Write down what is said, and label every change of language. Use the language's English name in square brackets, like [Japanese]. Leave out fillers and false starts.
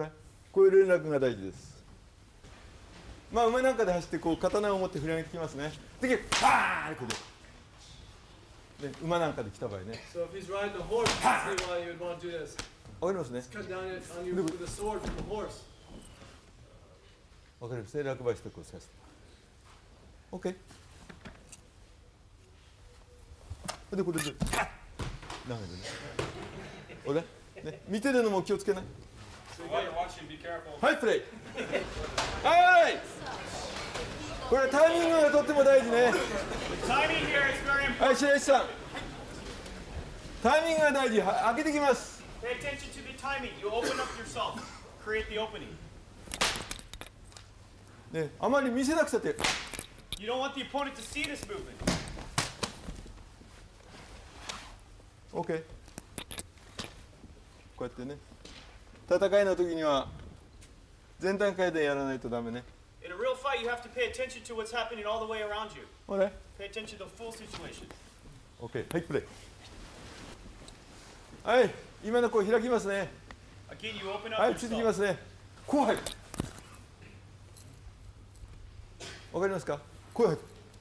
[Japanese] Okay, こういう連絡が大事です。まあ馬なんかで走ってこう刀を持って振り上げてきますね。で、パーンここ。ね、馬なんかで来た場合ね。 [English] So if he's riding the horse, see why you'd want to do this. [Japanese] わかりますね。 [English] Cut down on you with the sword from the horse. [Japanese] わかりますね。落馬してこう刺す。OK。でこれで、パーン。なめるね。俺。ね、見てるのも気をつけない。 [English] So、while you're watching, be careful. [Japanese] はい、プレイ。はい。これタイミングがとっても大事ね。 [English] タイミング here is very important. [Japanese] はい、白石さん。タイミングが大事。開けてきます。 [English] Pay attention to the timing. You open up yourself. Create the opening. [Japanese] ね、あまり見せなくたって。 [English] You don't want the opponent to see this movement. Okay. [Japanese] こうやってね、戦いの時には全段階でやらないとダメね。 [English] In a real fight, you have to pay attention to what's happening all the way around you. Okay. Pay attention to the full situation. [Japanese] Okay. はい、プレイ。はい、今のこう開きますね。 [English] Again, you open up [Japanese] はい、ついてきますね。こう入る。わかりますか？声入って。